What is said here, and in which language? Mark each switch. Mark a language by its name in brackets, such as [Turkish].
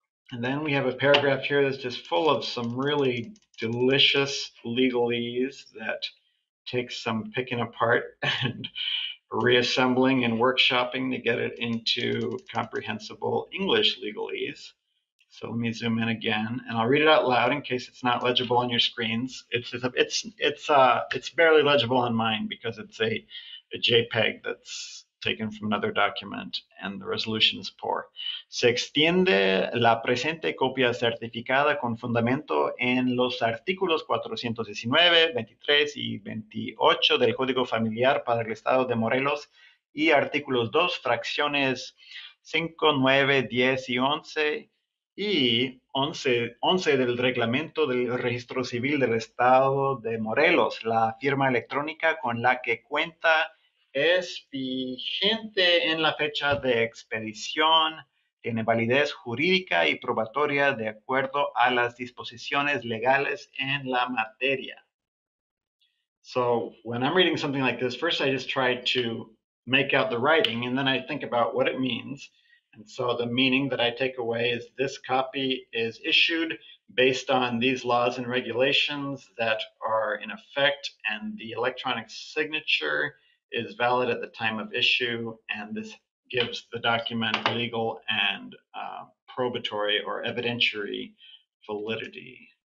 [English] And then we have a paragraph here that's just full of some really delicious legalese that takes some picking apart and reassembling and workshopping to get it into comprehensible English legalese. So let me zoom in again, and I'll read it out loud in case it's not legible on your screens. It's barely legible on mine because it's a JPEG that's taken from another document, and the resolution is poor. [Spanish] Se extiende la presente copia certificada con fundamento en los artículos 419, 23 y 28 del Código Familiar para el Estado de Morelos y artículos 2, fracciones 5, 9, 10 y 11. Y 11 del reglamento del registro civil del estado de Morelos, la firma electrónica con la que cuenta es vigente en la fecha de expedición, tiene validez jurídica y probatoria de acuerdo a las disposiciones legales en la materia. [English] So when I'm reading something like this, first I just try to make out the writing and then I think about what it means. And so the meaning that I take away is this copy is issued based on these laws and regulations that are in effect, and the electronic signature is valid at the time of issue, and this gives the document legal and probatory or evidentiary validity.